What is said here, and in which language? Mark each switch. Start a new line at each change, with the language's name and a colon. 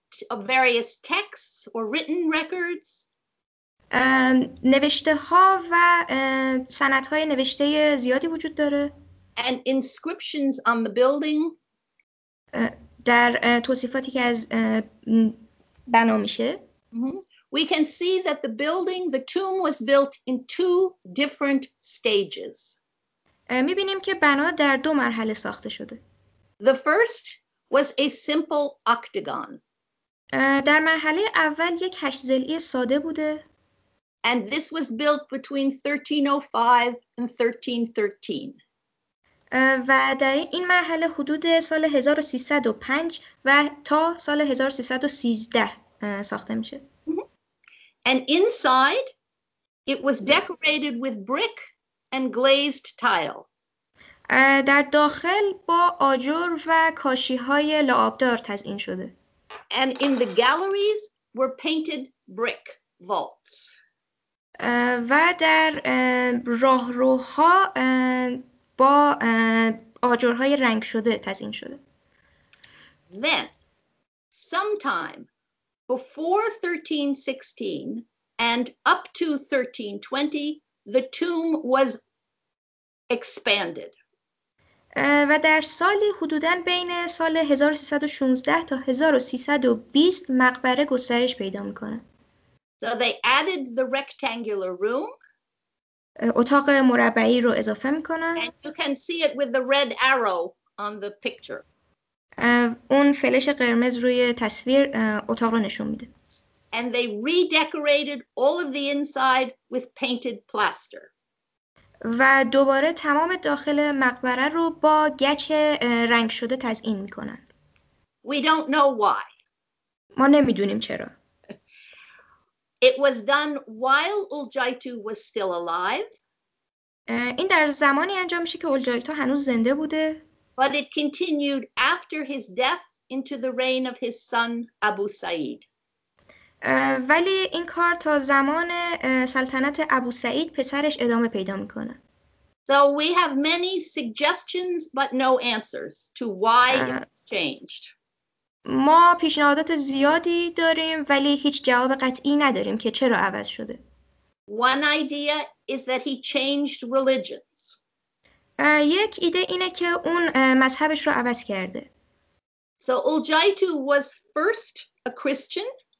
English: of various texts or written records,
Persian: نوشته ها و سند های نوشته زیادی وجود داره,
English: and inscriptions on the building,
Persian: در توصیفاتی که از بنا میشه,
English: we can see that the building, the tomb was built in two different stages.
Persian: می‌بینیم که بنا در دو مرحله ساخته شده.
English: The first was a simple octagon.
Persian: در مرحله اول یک هشت ضلعی ساده بوده.
English: And this was built between 1305 and 1313.
Persian: و در این مرحله حدود سال 1305 و تا سال 1313 ساخته میشه.
English: And inside it was decorated with brick and glazed tile.
Persian: در داخل با آجر و کاشی‌های لعابدار تزئین شده.
English: And in the galleries were painted brick vaults.
Persian: و در راهروها با آجرهای رنگ شده تزئین شده.
English: Then sometime before 1316 and up to 1320 the tomb was expanded.
Persian: و در سالی حدوداً بین سال 1316 تا 1320 مقبره گسترش پیدا میکنه.
English: So they added the rectangular room.
Persian: اتاق مربعی رو اضافه میکنن.
English: And you can see it with the red arrow on the picture.
Persian: اون فلش قرمز روی تصویر اتاق رو نشون میده.
English: And they redecorated all of the inside with painted plaster.
Persian: و دوباره تمام داخل مقبره رو با گچ رنگ شده تزئین میکنند.
English: We don't know why.
Persian: ما نمیدونیم چرا.
English: It was done while Uljaitu was still alive.
Persian: این در زمانی انجام میشه که اولجایتو هنوز زنده بوده.
English: But it continued after his death into the reign of his son Abu Sa'id.
Persian: ولی این کار تا زمان سلطنت ابو سعید پسرش ادامه پیدا میکنه.
English: So we have many suggestions but no answers to why it's changed.
Persian: ما پیشنهادات زیادی داریم ولی هیچ جواب قطعی نداریم که چرا عوض شده.
English: One idea is that he changed religions.
Persian: یک ایده اینه که اون مذهبش رو عوض کرده.
English: So Uljaitu was first a Christian.